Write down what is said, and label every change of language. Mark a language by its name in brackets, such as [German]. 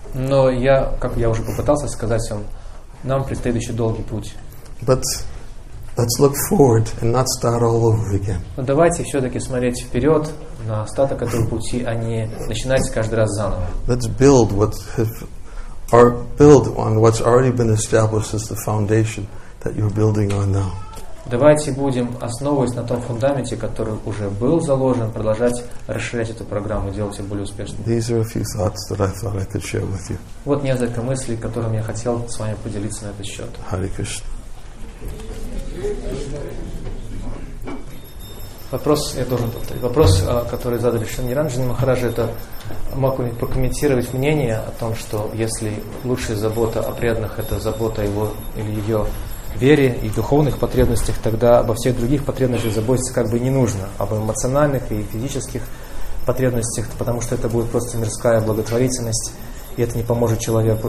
[Russian] Но я, как я уже попытался сказать вам, нам предстоит еще долгий путь. [English] But let's look forward and not start all over again. [Russian] Но давайте все-таки смотреть вперед на остаток этого пути, а не начинать каждый раз заново. [English] Let's build what have, build on what's already been established as the foundation that you're building on now. [Russian] Давайте будем, основываясь на том фундаменте, который уже был заложен, продолжать расширять эту программу, делать ее более успешной. [English] These are a few thoughts that I thought I could share with you. [Russian] Вот несколько мыслей, которыми я хотел с вами поделиться на этот счет. [English] Hare Krishna. [Russian] Вопрос, я должен повторить. Вопрос, который задали Шриниранджани Махараджи, это могу прокомментировать мнение о том, что если лучшая забота о преданных — это забота о его или ее вере и духовных потребностях, тогда обо всех других потребностях заботиться как бы не нужно, об эмоциональных и физических потребностях, потому что это будет просто мирская благотворительность, и это не поможет человеку.